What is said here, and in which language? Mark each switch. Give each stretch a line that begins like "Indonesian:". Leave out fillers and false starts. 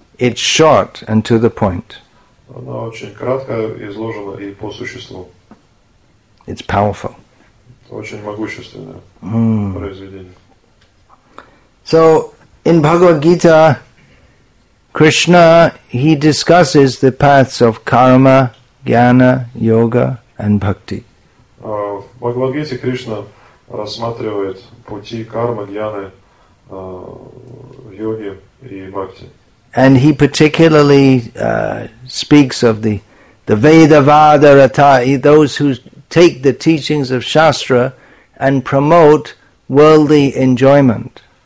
English: It's short and to the point.
Russian: Она очень кратко изложена и по существу.
English: It's powerful.
Russian: Очень могущественное произведение.
English: So in Bhagavad Gita, Krishna, he discusses the paths of karma, jnana, yoga, and bhakti.
Russian: В Бхагавад Гите Кришна рассматривает пути кармы, джняны, йоги и бхакти.
English: And he particularly speaks of the Veda Vada Rata, those who take the teachings of Shastra and promote worldly enjoyment.